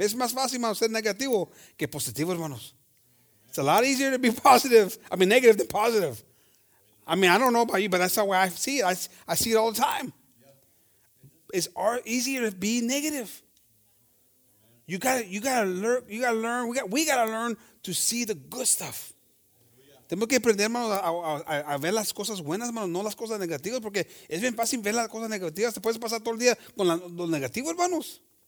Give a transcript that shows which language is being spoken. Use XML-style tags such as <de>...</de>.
<es>Es más fácil, hermanos, ser negativo que positivo, hermanos.</es> <en>It's a lot easier to be positive. I mean, negative than positive. I mean, I don't know about you, but that's the way I see it. I see it all the time. It's easier to be negative. You gotta learn. We gotta learn to see the good stuff.</en> <es>Tenemos que aprender, hermanos, a ver las cosas buenas, hermanos, no las cosas negativas, porque es bien fácil ver las cosas negativas. Te puedes pasar todo el día con los negativos, hermanos.</es>